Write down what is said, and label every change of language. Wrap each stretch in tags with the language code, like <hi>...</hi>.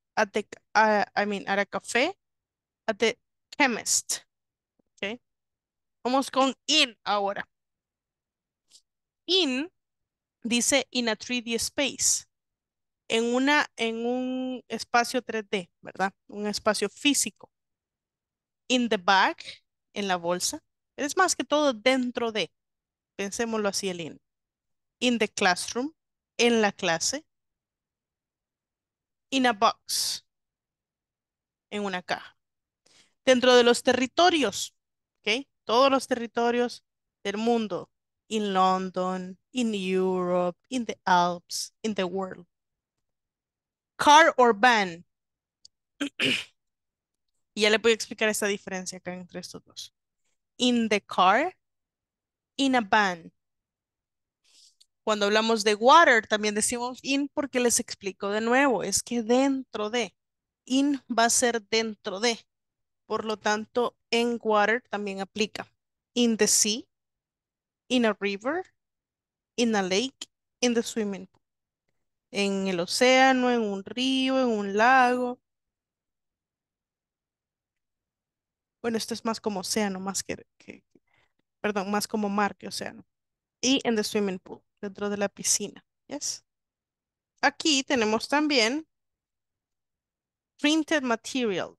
<en>At the, I mean, at a café, at the chemist, okay.</en> <es>Vamos con in ahora. In dice</es> <en>in a 3D space,</en> <es>en un espacio 3D, ¿verdad? Un espacio físico.</es> <en>In the bag,</en> <es>en la bolsa, es más que todo dentro de, pensémoslo así el in.</es> <en>In the classroom,</en> <es>en la clase.</es> <en>In a box,</en> <es>en una caja. Dentro de los territorios, okay, todos los territorios del mundo.</es> <en>In London, in Europe, in the Alps, in the world. Car or van.</en> <es>Y ya le voy a explicar esta diferencia acá entre estos dos.</es> <en>In the car, in a van.</en> <es>Cuando hablamos de water, también decimos in porque les explico de nuevo. Es que dentro de, in va a ser dentro de. Por lo tanto, en water también aplica.</es> <en>In the sea, in a river, in a lake, in the swimming pool.</en> <es>En el océano, en un río, en un lago. Bueno, esto es más como océano, más perdón, más como mar que océano. Y en</es> <en>the swimming pool.</en> <es>Dentro de la piscina.</es> <en>Yes.</en> <es>Aquí tenemos también</es> <en>printed material.</en>